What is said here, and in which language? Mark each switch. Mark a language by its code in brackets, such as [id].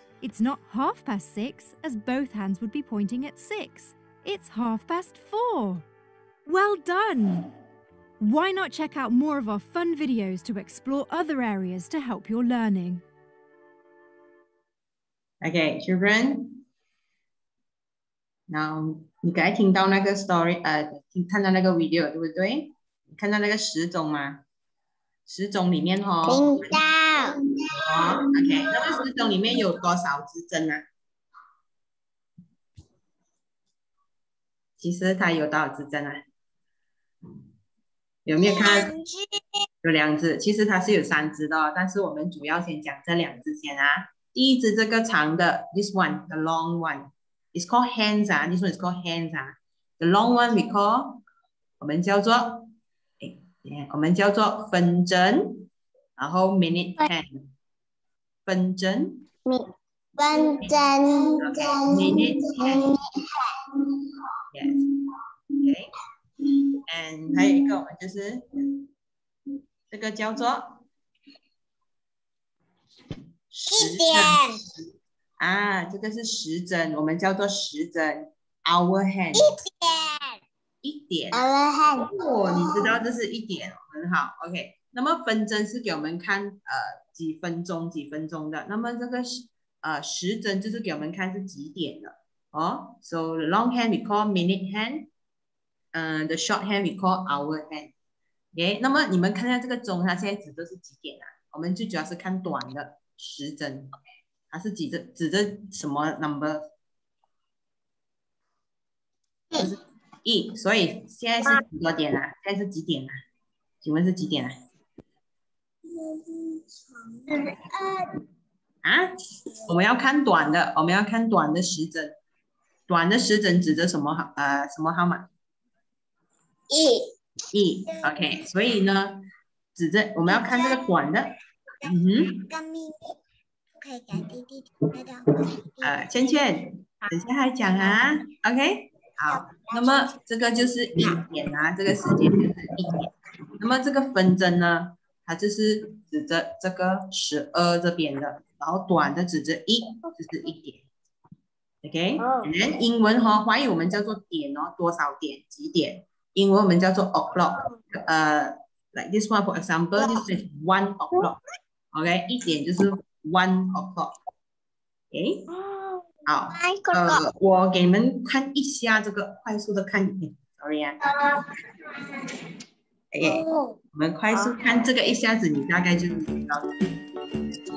[en] It's not 6:30, as both hands would be pointing at 6. It's 4:30. Well done! Why not check out more of our fun videos to explore other areas to help your learning? Okay, children. [zh] Now, 你刚才听到那个 story, 看到那个 video, 对不对？你看到那个时钟吗？时钟里面哦。听到。 OK, 那个时钟里面有多少指针啊？其实它有多少指针啊？有没有看？有两只，其实它是有三只的，但是我们主要先讲这两只先啊。第一只这个长的 [en] ，this one, the long one, it's called hands 啊 ，this one is called hands 啊。 The long one we call [zh] 我们叫做，我们叫做分针，然后 [en] minute hand， [zh] 分针 [en] ，minute hand，yes，OK。 [zh] And 还有一个我们就是这个叫做时针啊，这个是时针，我们叫做时针 ， [en] our hand， [zh] 一点 [en] ，our hand， [zh] 哦，你知道这是一点，很好 ，OK。那么分针是给我们看几分钟几分钟的，那么这个时针就是给我们看是几点的哦。 [en] So the long hand we call minute hand。 The short hand we call our hand. [zh] Okay, 那么你们看一下这个钟，它现在指的是几点啊？我们最主要是看短的时针。 Okay, 它是指着什么 number？一。所以现在是几多点啊？现在是几点啊？请问是几点啊？ 12。啊？我们要看短的，我们要看短的时针。短的时针指着什么什么号码？一，OK， 所以呢，指着我们要看这个管的，嗯哼。倩倩，等下还讲啊 ，OK， 好。那么这个就是一点啊，这个时间就是一点。那么这个分针呢，它就是指着这个十二这边的，然后短的指着一，就是一点。 OK， 连英文和华语我们叫做点哦，多少点，几点。英文我们叫做 [en] o'clock， like this one for example, this is 1 o'clock. [zh] OK, 一点就是 [en] 1 o'clock. [zh] OK, 好，我给你们看一下这个，快速的看 ，sorry 啊 ，OK， 我们快速看这个，一下子你大概就知道。